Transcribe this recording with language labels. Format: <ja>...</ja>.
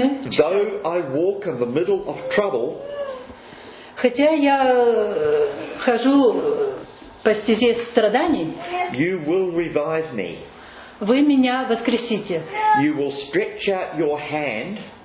<en>Though I walk in the middle of trouble,</en> <ru>хотя я хожу по стезе страданий,</ru> <en>you will revive me.</en> <ru>Вы меня воскресите.</ru> <en>You will stretch out your hand.</en>